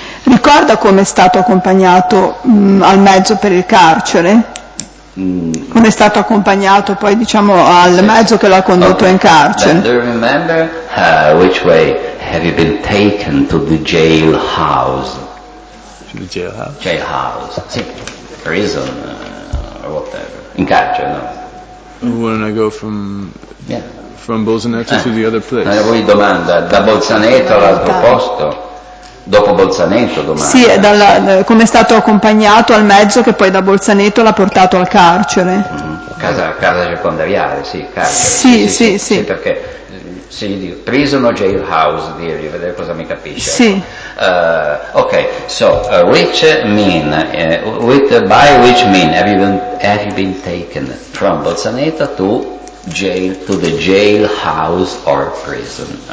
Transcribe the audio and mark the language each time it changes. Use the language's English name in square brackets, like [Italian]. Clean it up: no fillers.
[Italian] Ricorda come è stato accompagnato al mezzo per il carcere? Come è stato accompagnato poi diciamo al mezzo che l'ha condotto in carcere? [English] Do you remember which way have you been taken to the jailhouse? The jailhouse. Jailhouse. Sì. Prison or whatever. [Italian] In carcere, no? [English] When I go from Bolzaneto to the other place. [Italian] Ma voi domanda, da Bolzaneto all'altro posto? Dopo Bolzaneto domanda. Sì, come è stato accompagnato al mezzo che poi da Bolzaneto l'ha portato al carcere. Casa circondariale, sì, carcere. Sì. Perché se gli dico prison o jailhouse, dirgli, vedere cosa mi capisce. Sì. [English] Ok, so, which mean, with, by which mean have you been taken from Bolzaneto to jail, to the jailhouse or prison?